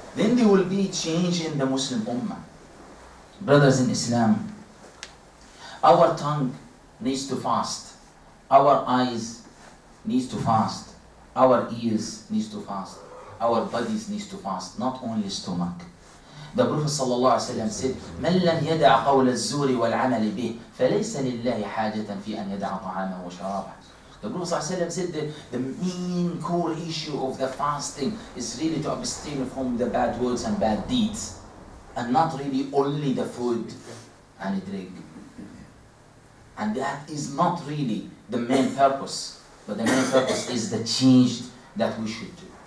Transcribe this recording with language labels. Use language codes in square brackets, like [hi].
[en] Then there will be change in the Muslim Ummah. Brothers in Islam, our tongue needs to fast. Our eyes needs to fast. Our ears needs to fast. Our bodies needs to fast, not only stomach. The Prophet sallallahu alaihi wasallam said, [ar] "من لم يدع قول الزور والعمل به فليس لله حاجة في أن يدع طعامه وشرابه." [en] The Prophet sallallahu alaihi wasallam said, the main core issue of the fasting is really to abstain from the bad words and bad deeds, and not really only the food and the drink. And that is not really the main purpose, but the main purpose is the change that we should do.